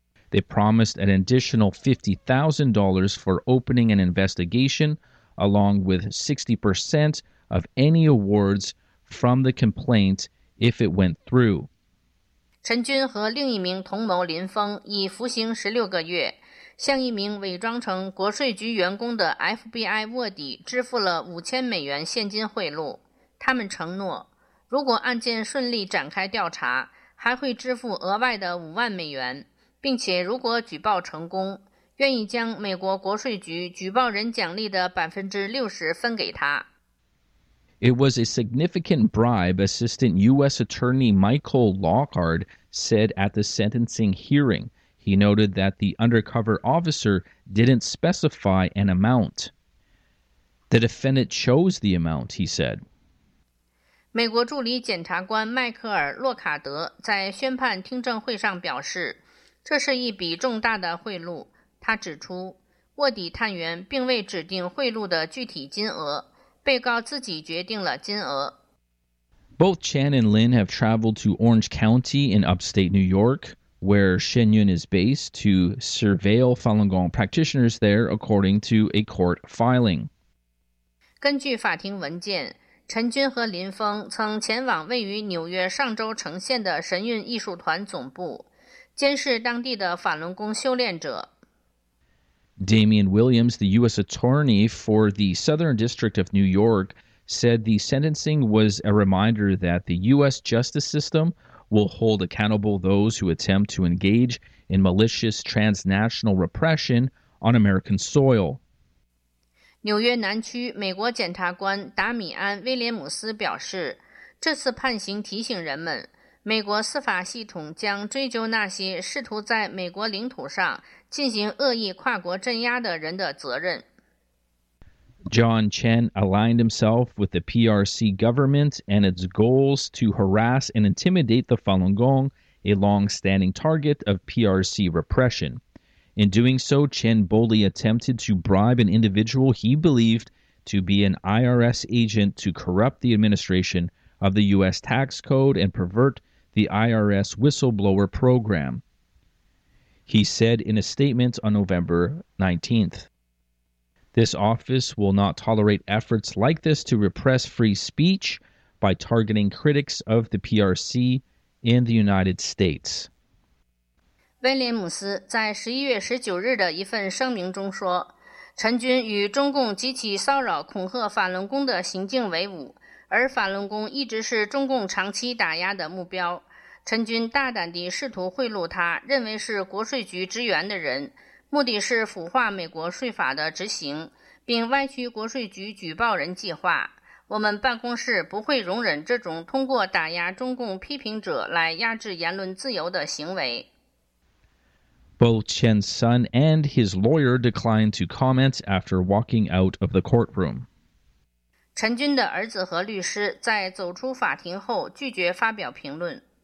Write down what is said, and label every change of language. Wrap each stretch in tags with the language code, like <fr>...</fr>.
<en>They promised an additional $50,000 for opening an investigation, along with 60% of any awards from the complaint if it went through.</en> <zh>陈军和另一名同谋林峰已服刑16个月，向一名伪装成国税局员工的 FBI 卧底支付了$5,000现金贿赂。他们承诺，如果案件顺利展开调查，还会支付额外的$50,000，并且如果举报成功，愿意将美国国税局举报人奖励的60%分给他。</zh> <en>It was a significant bribe, Assistant U.S. Attorney Michael Lockhart said at the sentencing hearing. He noted that the undercover officer didn't specify an amount. The defendant chose the amount, he said.</en> <zh>美国助理检察官迈克尔·洛卡德在宣判听证会上表示，这是一笔重大的贿赂。他指出，卧底探员并未指定贿赂的具体金额。被告自己决定了金额。</zh> <en>Both Chan and Lin have traveled to Orange County in upstate New York, where Shen Yun is based, to surveil Falun Gong practitioners there, according to a court filing.</en> <zh>根据法庭文件，陈军和林峰曾前往位于纽约上州城县的神韵艺术团总部，监视当地的法轮功修炼者。</zh> <en>Damian Williams, the U.S. Attorney for the Southern District of New York, said the sentencing was a reminder that the U.S. justice system will hold accountable those who attempt to engage in malicious transnational repression on American soil.</en> <zh>纽约南区美国检察官达米安·威廉姆斯表示，这次判刑提醒人们，美国司法系统将追究那些试图在美国领土上进行恶意跨国镇压的人的责任。</zh> <en>John Chen aligned himself with the PRC government and its goals to harass and intimidate the Falun Gong, a long-standing target of PRC repression. In doing so, Chen boldly attempted to bribe an individual he believed to be an IRS agent to corrupt the administration of the U.S. tax code and pervert the IRS whistleblower program. He said in a statement on November 19th, This office will not tolerate efforts like this to repress free speech by targeting critics of the PRC in the United States.</en> <zh>威廉姆斯在11月19日的一份声明中说，陈军与中共及其骚扰恐吓法轮功的行径为伍，而法轮功一直是中共长期打压的目标。陈军大胆地试图贿赂他认为是国税局支援的人，目的是腐化美国税法的执行，并歪曲国税局举报人计划。我们办公室不会容忍这种通过打压中共批评者来压制言论自由的行为。</zh> <en>Both Chen's son and his lawyer declined to comment after walking out of the courtroom.</en> <zh>陈军的儿子和律师在走出法庭后拒绝发表评论。</zh>